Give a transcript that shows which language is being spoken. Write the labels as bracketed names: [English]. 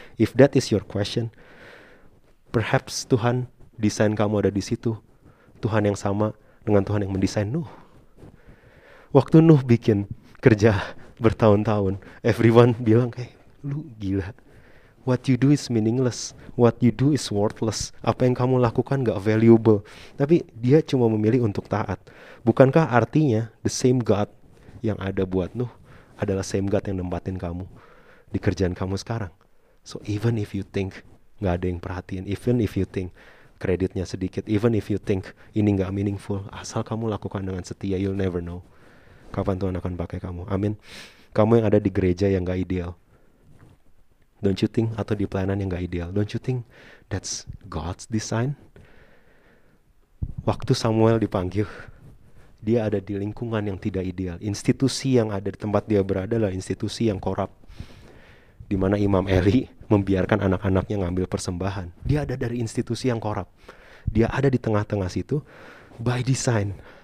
[English] If that is your question, perhaps [Indonesian] Tuhan desain kamu ada di situ. Tuhan yang sama dengan Tuhan yang mendesain Nuh. Waktu Nuh bikin kerja bertahun-tahun, everyone bilang kayak, lu gila, [English] what you do is meaningless, what you do is worthless, [Indonesian] apa yang kamu lakukan gak valuable, tapi dia cuma memilih untuk taat. Bukankah artinya [English] the same God [Indonesian] yang ada buat Nuh adalah [English] same God [Indonesian] yang nempatin kamu di kerjaan kamu sekarang? [English] So even if you think [Indonesian] gak ada yang perhatiin, [English] even if you think [Indonesian] kreditnya sedikit. [English] Even if you think [Indonesian] ini gak meaningful, asal kamu lakukan dengan setia, [English] you'll never know [Indonesian] kapan Tuhan akan pakai kamu. Amin. Kamu yang ada di gereja yang gak ideal, [English] don't you think? [Indonesian] Atau di pelayanan yang gak ideal, [English] don't you think that's God's design? [Indonesian] Waktu Samuel dipanggil, dia ada di lingkungan yang tidak ideal. Institusi yang ada di tempat dia berada adalah institusi yang korup, di mana Imam Eli membiarkan anak-anaknya ngambil persembahan. Dia ada dari institusi yang korup. Dia ada di tengah-tengah situ [English] by design.